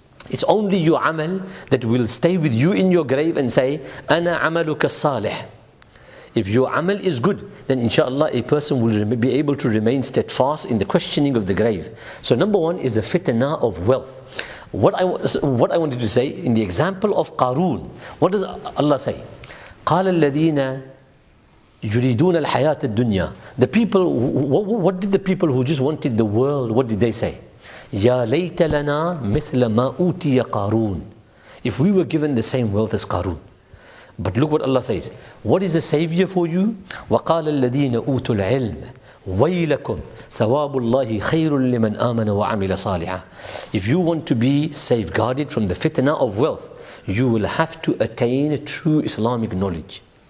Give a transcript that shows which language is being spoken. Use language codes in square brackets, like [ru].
[en] It's only your amal that will stay with you in your grave and say, [ar] أَنَا عَمَلُكَ الصَّالِحِ [en] If your amal is good, then inshallah a person will be able to remain steadfast in the questioning of the grave. So number one is the fitna of wealth. What I wanted to say in the example of Qarun, what does Allah say? [ar] قال الذين يريدون الحياة الدنيا. [en] The people, what did the people who just wanted the world, what did they say? [ar] يا ليت لنا مثل ما أوتي قارون. [en] If we were given the same wealth as Qarun. But look what Allah says. What is a savior for you? [ar] وَقَالَ الَّذِينَ أُوتُوا الْعِلْمَ وَيْلَكُمْ ثَوَابُ اللَّهِ خَيْرٌ لِّمَنْ آمَنَ وَعَمِلَ صَالِحًا [en] If you want to be safeguarded from the fitna of wealth, you will have to attain true Islamic knowledge.